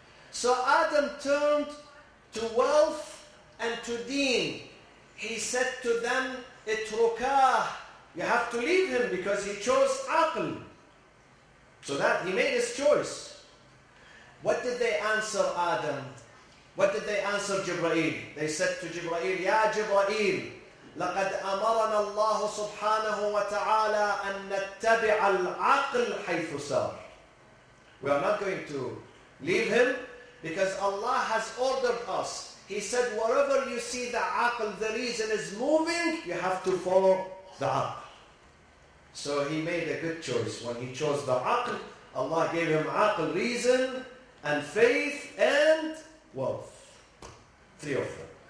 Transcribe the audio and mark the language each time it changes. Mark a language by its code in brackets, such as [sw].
[en] So Adam turned to wealth and to deen. He said to them, Itrukah, you have to leave him because he chose aql. So that he made his choice. What did they answer Adam? What did they answer Jibreel? They said to Jibreel, Ya Jibreel, [ar] لقد أمرنا الله سبحانه وتعالى أن نتبع العقل حيث سار. [en] We are not going to leave him because Allah has ordered us. He said, wherever you see the aql, the reason is moving, you have to follow the aql. So he made a good choice. When he chose the aql, Allah gave him aql, reason, and faith, and wealth. Three of them.